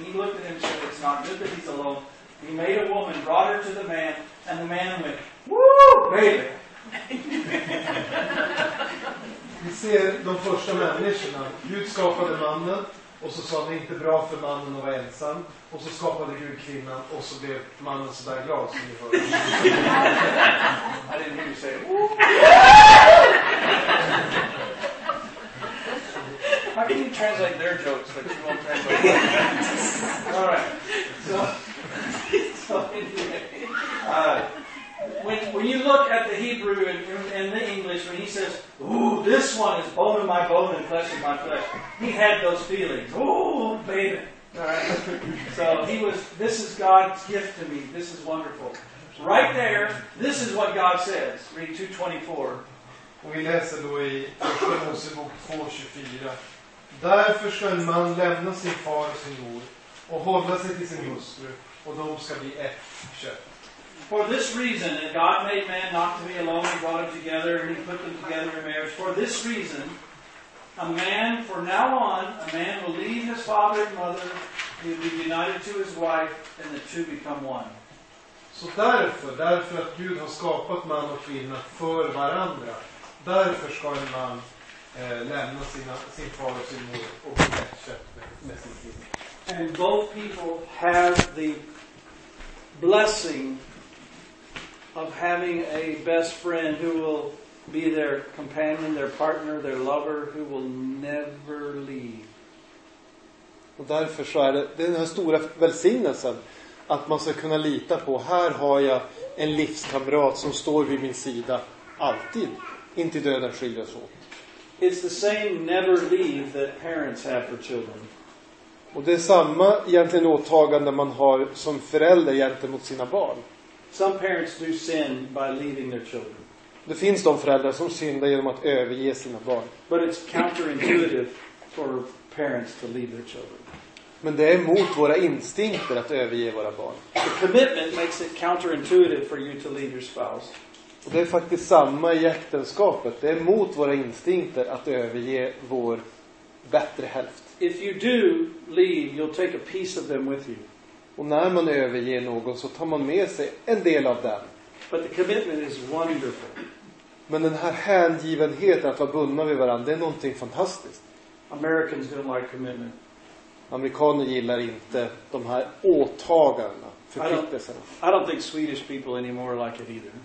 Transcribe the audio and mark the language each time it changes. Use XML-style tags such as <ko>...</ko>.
<en>He looked at him and said, it's not good that he's alone. He made a woman, brought her to the man, and the man went, woo, baby.</en> <sv>Vi ser de första människorna. Gud skapade mannen, och så sa han, inte bra för mannen att vara ensam. Och så skapade Gud kvinnan, och så blev mannen så där glad som ni hörde.</sv> <en>I didn't hear you say it. Woo. How can you translate their jokes, but you won't translate mine? All right. So when you look at the Hebrew and the English, when he says, ooh, this one is bone of my bone and flesh of my flesh, he had those feelings. Ooh, baby. All right. So he was, this is God's gift to me. This is wonderful. Right there, this is what God says. Read 2:24.</en> <sv>Och vi läser då i Mosebok 2:24. Därför ska en man lämna sin far och sin mor och hålla sig till sin hustru, och de ska bli ett kött.</sv> <en>For this reason, and God made man not to be alone, he brought them together, and he put them together in marriage. For this reason, from now on, a man will leave his father and mother, he will be united to his wife, and the two become one.</en> <sv>Så därför att Gud har skapat man och kvinna för varandra, därför ska en man lämna sin far och sin mor och bli ett kött med sin kvinna.</sv> <en>And both people have the blessing of having a best friend who will be their companion, their partner, their lover, who will never leave.</en> <sv>Och därför så är det den här stora välsignelsen att man ska kunna lita på. Här har jag en livskamrat som står vid min sida alltid, inte döden skiljer så.</sv> <en>It's the same never leave that parents have for children.</en> <sv>Och det är samma egentligen åtagande man har som förälder gentemot sina barn.</sv> <en>Some parents do sin by leaving their children.</en> <sv>Det finns de föräldrar som syndar genom att överge sina barn.</sv> <en>But it's counterintuitive for parents to leave their children.</en> <sv>Men det är mot våra instinkter att överge våra barn.</sv> <en>The commitment makes it counterintuitive for you to leave your spouse.</en> <sv>Och det är faktiskt samma i äktenskapet. Det är mot våra instinkter att överge vår bättre hälft.</sv> <en>If you do leave, you'll take a piece of them with you.</en> <sv>Och när man överger någon så tar man med sig en del av den.</sv> <en>But the commitment is wonderful.</en> <sv>Men den här hängivenheten att vara bundna vid varandra, det är någonting fantastiskt.</sv> <en>Americans don't like commitment.</en> <sv>Amerikaner gillar inte de här åtagandena.</sv> <en>I don't think Swedish people anymore like it either.</en>